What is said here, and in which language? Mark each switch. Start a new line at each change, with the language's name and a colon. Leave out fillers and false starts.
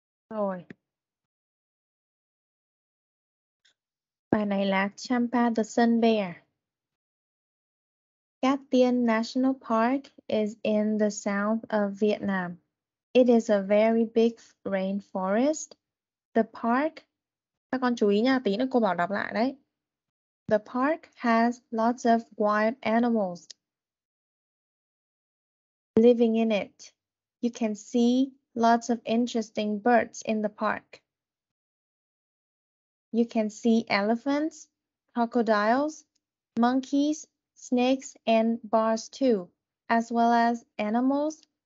Vietnamese: Rồi. Bài này là Champa the Sun Bear.
English: Cát Tiên National Park is in the south of Vietnam. It is a very big rainforest. The park,
Vietnamese: các con chú ý nha, tí nữa cô bảo đọc lại đấy.
English: The park has lots of wild animals living in it. You can see lots of interesting birds in the park. You can see elephants, crocodiles, monkeys, snakes, and bears too, as well as animals.